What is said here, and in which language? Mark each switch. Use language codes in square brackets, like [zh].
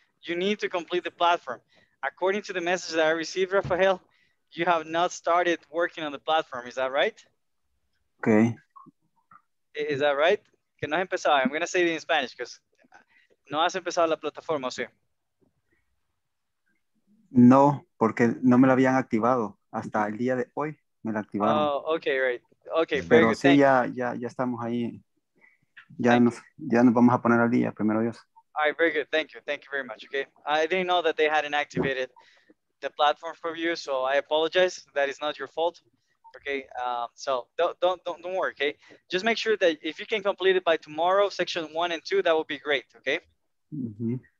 [en] You need to complete the platform. According to the message that I received, Rafael, you have not started working on the platform. Is that right? Okay. Is that right? [es] Que no has empezado. [en] I'm going to say it in Spanish because [es] no has empezado la plataforma, sí. No, porque no me la habían activado. Hasta el día de hoy me la activaron. [en] Oh, okay, right. Okay, very good. [es] Pero sí, ya estamos ahí. Ya nos vamos a poner al día, primero Dios. [en] All right, very good. Thank you. Thank you very much. Okay. I didn't know that they hadn't activated the platform for you. So I apologize. That is not your fault. Okay. So don't worry. Okay. Just make sure that if you can complete it by tomorrow, section one and two, that would be great. Okay. Mm-hmm.